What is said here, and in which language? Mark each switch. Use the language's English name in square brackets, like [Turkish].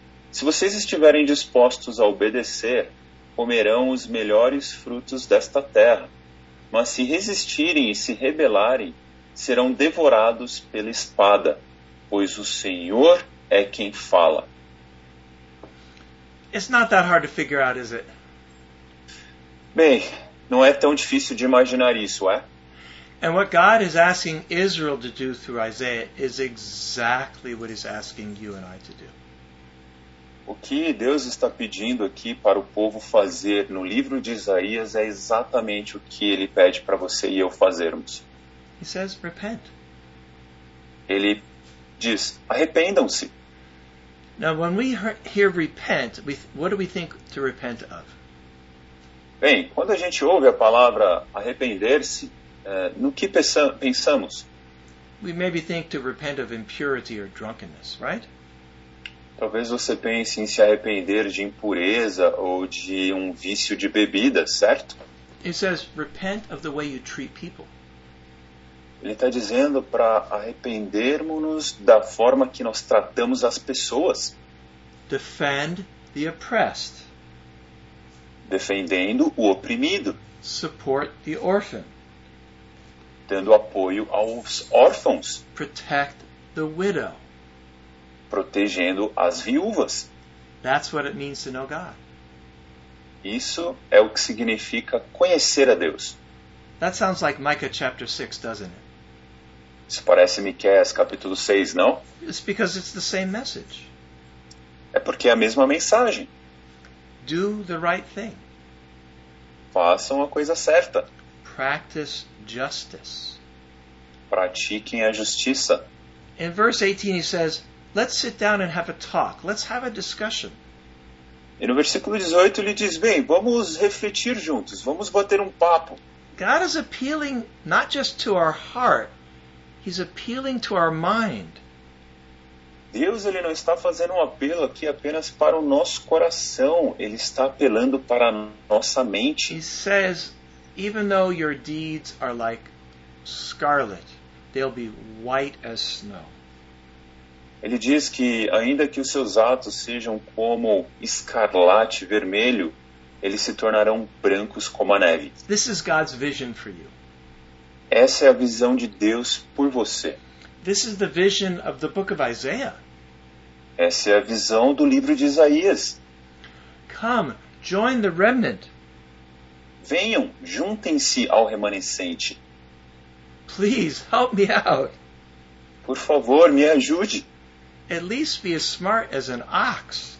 [Portuguese] Se vocês estiverem dispostos a obedecer, comerão os melhores frutos desta terra. Mas se resistirem e se rebelarem, serão devorados pela espada, pois o Senhor é quem fala. [English] It's not that hard to figure out, is it? [Portuguese] Bem, não é tão difícil de imaginar isso, é? [English] And what God is asking Israel to do through Isaiah is exactly what he's asking you and I to do. [Portuguese] O que Deus está pedindo aqui para o povo fazer no livro de Isaías é exatamente o que ele pede para você e eu fazermos. [English] He says, repent. [Portuguese] Ele diz, arrependam-se. [English] Now, when we hear repent, what do we think to repent of? [Portuguese] Bem, quando a gente ouve a palavra arrepender-se, no que pensamos? [English] We maybe think to repent of impurity or drunkenness, right? [Portuguese] Talvez você pense em se arrepender de impureza ou de um vício de bebida, certo? [English] It says, repent of the way you treat people. [Portuguese] Ele está dizendo para arrependermos-nos da forma que nós tratamos as pessoas. [English] Defend the oppressed. [Portuguese] Defendendo o oprimido. [English] Support the orphan. [Portuguese] Dando apoio aos órfãos. [English] Protect the widow. [Portuguese] Protegendo as viúvas. [English] That's what it means to know God. [Portuguese] Isso é o que significa conhecer a Deus. [English] That sounds like Micah chapter 6, doesn't it? [Portuguese] Isso parece Miqueias capítulo 6, não? [English] It's because it's the same message. [Portuguese] É porque é a mesma mensagem. [English] Do the right thing. [Portuguese] Façam a coisa certa. [English] Practice justice. [Portuguese] Pratiquem a justiça. [English] In verse 18 he says, let's sit down and have a talk. Let's have a discussion. [Portuguese] E no versículo 18 ele diz, bem, vamos refletir juntos. Vamos bater um papo. [English] God is appealing not just to our heart. He's appealing to our mind. [Portuguese] Deus ele não está fazendo um apelo aqui apenas para o nosso coração. Ele está apelando para a nossa mente. [English] He says, even though your deeds are like scarlet, they'll be white as snow. [Portuguese] Ele diz que ainda que os seus atos sejam como escarlate vermelho, eles se tornarão brancos como a neve. [English] This is God's vision for you. [Portuguese] Essa é a visão de Deus por você. [English] This is the vision of the book of Isaiah. [Portuguese] Essa é a visão do livro de Isaías. [English] Come, join the remnant. [Portuguese] Venham, juntem-se ao remanescente. [English] Please, help me out. [Portuguese] Por favor, me ajude. [English] At least be as smart as an ox.